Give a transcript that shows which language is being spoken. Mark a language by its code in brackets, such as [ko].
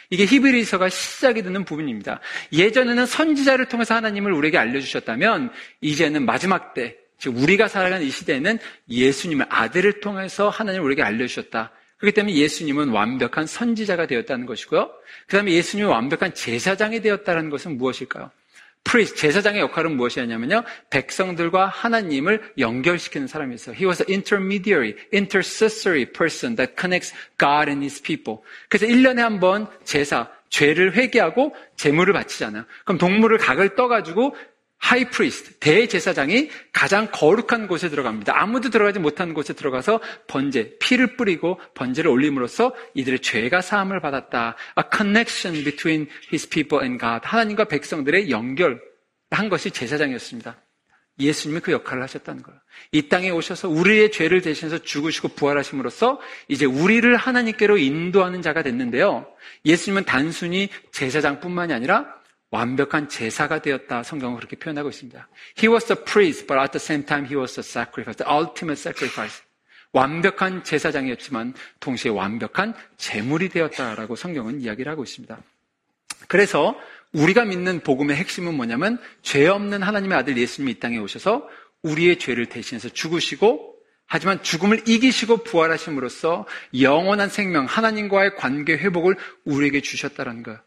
[ko] 이게 히브리서가 시작이 되는 부분입니다. 예전에는 선지자를 통해서 하나님을 우리에게 알려주셨다면 이제는 마지막 때, 즉 우리가 살아가는 이 시대에는 예수님을 아들을 통해서 하나님을 우리에게 알려주셨다. 그렇기 때문에 예수님은 완벽한 선지자가 되었다는 것이고요. 그 다음에 예수님이 완벽한 제사장이 되었다는 것은 무엇일까요? 프리스트, 제사장의 역할은 무엇이냐면요. 백성들과 하나님을 연결시키는 사람이었어요. [en] He was an intermediary, intercessory person that connects God and his people. [ko] 그래서 1년에 한 번 제사, 죄를 회개하고 제물을 바치잖아요. 그럼 동물을 각을 떠가지고 하이 프리스트, 대제사장이 가장 거룩한 곳에 들어갑니다. 아무도 들어가지 못하는 곳에 들어가서 번제, 피를 뿌리고 번제를 올림으로써 이들의 죄가 사함을 받았다. [en] A connection between his people and God. [ko] 하나님과 백성들의 연결을 한 것이 제사장이었습니다. 예수님이 그 역할을 하셨다는 거예요. 이 땅에 오셔서 우리의 죄를 대신해서 죽으시고 부활하심으로써 이제 우리를 하나님께로 인도하는 자가 됐는데요. 예수님은 단순히 제사장뿐만이 아니라 완벽한 제사가 되었다. 성경은 그렇게 표현하고 있습니다. [en] He was the priest, but at the same time he was the sacrifice, the ultimate sacrifice. [ko] 완벽한 제사장이었지만 동시에 완벽한 제물이 되었다라고 성경은 이야기를 하고 있습니다. 그래서 우리가 믿는 복음의 핵심은 뭐냐면 죄 없는 하나님의 아들 예수님이 이 땅에 오셔서 우리의 죄를 대신해서 죽으시고 하지만 죽음을 이기시고 부활하심으로써 영원한 생명, 하나님과의 관계 회복을 우리에게 주셨다는 것.